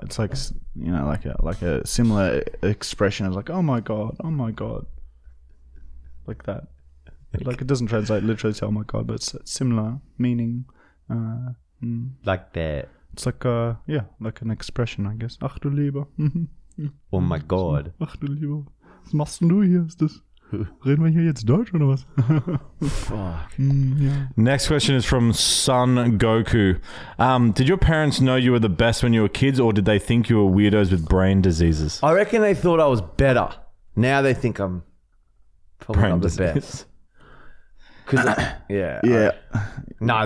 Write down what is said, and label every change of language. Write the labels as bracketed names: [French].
[English] It's like, you know, like a similar expression. It's like, oh, my God. Oh, my God. Like that. Like, it doesn't translate literally to, oh, my God, but it's similar meaning. Like that. It's like, yeah, like an expression, I guess. [German] Achtelieber. [English] Oh, my God. [German] Achtelieber. Was machst du hier? Ist das, reden wir hier jetzt Deutsch oder was? [English] Fuck. Yeah. Next question is from Son Goku. Did your parents know you were the best when you were kids, or did they think you were weirdos with brain diseases? I reckon they thought I was better. Now they think I'm probably brain not the disease. Best. Cause Yeah.